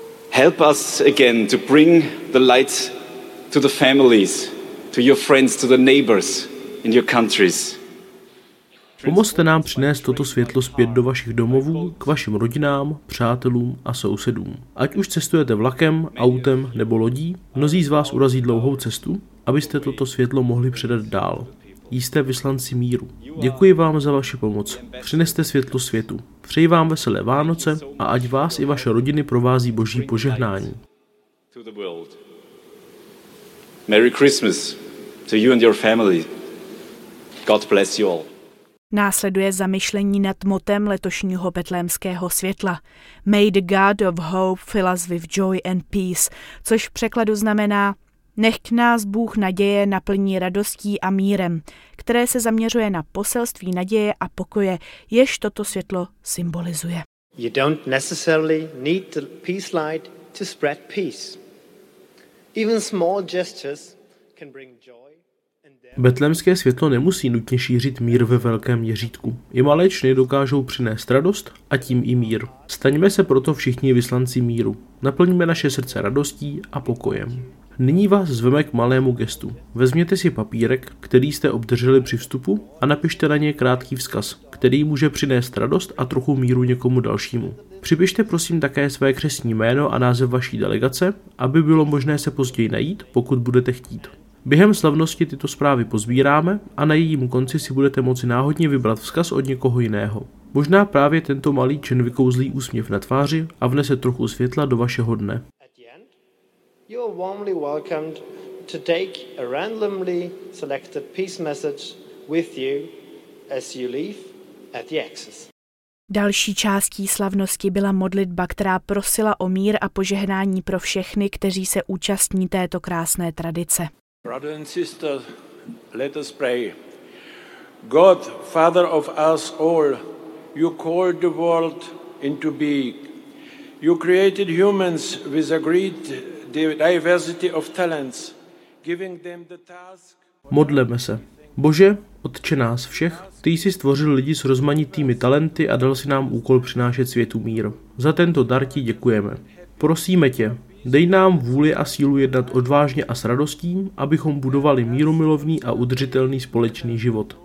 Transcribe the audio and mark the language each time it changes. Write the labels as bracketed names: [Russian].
[English] Help us again to bring the light to the families, to your friends, to the neighbors in your countries. [Czech] Pomozte nám přinést toto světlo zpět do vašich domovů, k vašim rodinám, přátelům a sousedům. Ať už cestujete vlakem, autem nebo lodí, mnozí z vás urazí dlouhou cestu, abyste toto světlo mohli předat dál. Jste vyslanci míru. Děkuji vám za vaši pomoc. Přineste světlo světu. Přeji vám veselé Vánoce a ať vás i vaše rodiny provází Boží požehnání. [English] Merry Christmas to you and your family. God bless you all. [Czech] Následuje zamyšlení nad motem letošního betlémského světla. [English] May the God of hope fill us with joy and peace, [Czech] což v překladu znamená: Nechť nás Bůh naděje naplní radostí a mírem, které se zaměřuje na poselství naděje a pokoje, jež toto světlo symbolizuje. [English] You don't necessarily need the peace light to spread peace. Even small gestures can bring joy and there... [Czech] Betlémské světlo nemusí nutně šířit mír ve velkém měřítku. I malé čny dokážou přinést radost a tím i mír. Staňme se proto všichni vyslanci míru. Naplníme naše srdce radostí a pokojem. Nyní vás zveme k malému gestu. Vezměte si papírek, který jste obdrželi při vstupu, a napište na něj krátký vzkaz, který může přinést radost a trochu míru někomu dalšímu. Připište prosím také své křestní jméno a název vaší delegace, aby bylo možné se později najít, pokud budete chtít. Během slavnosti tyto zprávy pozbíráme a na jejím konci si budete moci náhodně vybrat vzkaz od někoho jiného. Možná právě tento malý čin vykouzlí úsměv na tváři a vnese trochu světla do vašeho dne. [English] You are warmly welcomed to take a randomly selected peace message with you as you leave at the access. [Czech] Další částí slavnosti byla modlitba, která prosila o mír a požehnání pro všechny, kteří se účastní této krásné tradice. [English] Brother and sister, let us pray. God, Father of us all, you called the world into being. You created humans with a great diversity of talents, giving them the task. [Czech] Modleme se. Bože, Otče nás všech, ty jsi stvořil lidi s rozmanitými talenty a dal si nám úkol přinášet světu mír. Za tento dar ti děkujeme. Prosíme tě, dej nám vůli a sílu jednat odvážně a s radostí, abychom budovali mírumilovný a udržitelný společný život.